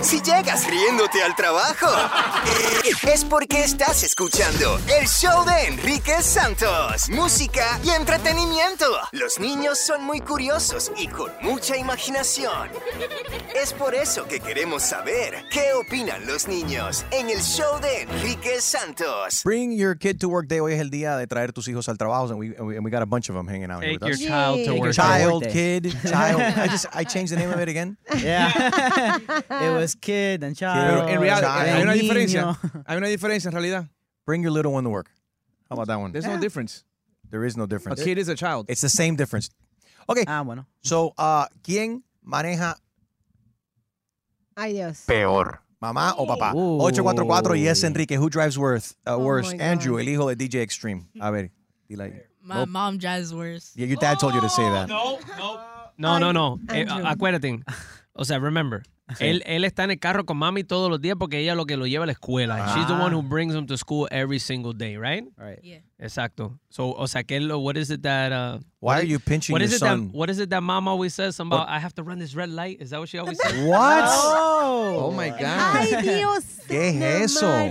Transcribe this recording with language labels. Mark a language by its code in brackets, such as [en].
[es] Si llegas riéndote al trabajo, es porque estás escuchando el show de Enrique Santos. Música y entretenimiento. Los niños son muy curiosos y con mucha imaginación. Es por eso que queremos saber qué opinan los niños en el show de Enrique Santos. [en] Bring your kid to work day. [es] Hoy es el día de traer tus hijos al trabajo. [en] And we got a bunch of them hanging out. Take here with us. Child to work. Child, kid, child. I changed the name of it again. Yeah. It was kid and child. [es] Pero en realidad, hay una diferencia. Hay una diferencia en realidad. [en] Bring your little one to work. How about that one? There's no difference. There is no difference. A kid is a child. It's the same difference. Okay. [es] Ah, bueno. So, ¿quién maneja? Ay, Dios. Peor. ¿Mamá o papá? [en] 844, yes, Enrique. Who drives worse? [es] Andrew, el hijo de DJ Extreme. A ver. Dile ahí. [en] My mom drives worse. Yeah, your dad told you to say that. No. [es] Acuérdate. O sea, [en] remember. [es] Sí. Él está en el carro con mami todos los días porque ella es lo que lo lleva a la escuela. Ah. [en] She's the one who brings him to school every single day, right? Right. Yeah. [es] Exacto. [en] So, [es] o sea, que lo, [en] what is it that... Why are you pinching your son? What is it that mom always says about, what? I have to run this red light? Is that what she always says? What? Oh, my God. [es] Ay, Dios. ¿Qué es eso?